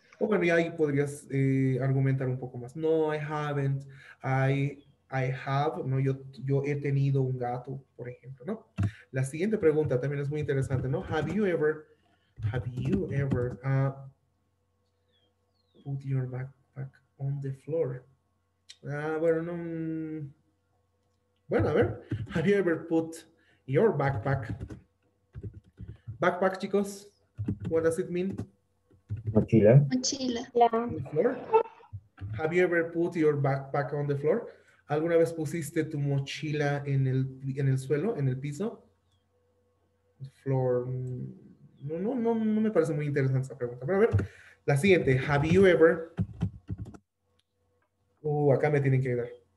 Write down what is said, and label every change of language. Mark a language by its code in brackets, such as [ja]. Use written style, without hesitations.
[es] O bueno, y ahí podrías argumentar un poco más. [en] No, I haven't. I have. [es] No, yo he tenido un gato, por ejemplo, ¿no? La siguiente pregunta también es muy interesante, ¿no? [en] Have you ever put your backpack on the floor? [es] Bueno, a ver. [en] Have you ever put your backpack? Backpack, chicos. What does it mean? [es] Mochila. Mochila. [en] On the floor? Have you ever put your backpack on the floor? [es] ¿Alguna vez pusiste tu mochila en el suelo, en el piso? [en] The floor. [es] No, me parece muy interesante esa pregunta. Pero a ver, la siguiente. [en] Have you ever... [es] acá me tienen que ayudar.